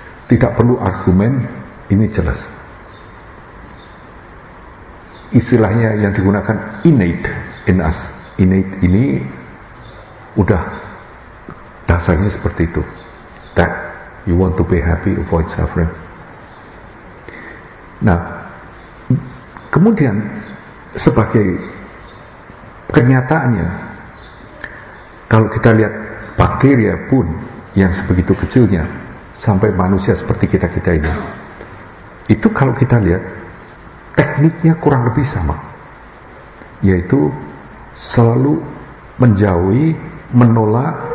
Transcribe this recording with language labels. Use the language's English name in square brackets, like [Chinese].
[Indonesian] Tidak perlu argumen, ini jelas. Istilahnya yang digunakan [English] innate in us. [Indonesian] Innate ini udah dasarnya seperti itu. [English] That you want to be happy, avoid suffering. [Indonesian] Nah, kemudian sebagai kenyataannya, kalau kita lihat bakteria pun yang sebegitu kecilnya sampai manusia seperti kita-kita ini, itu kalau kita lihat tekniknya kurang lebih sama, yaitu selalu menjauhi, menolak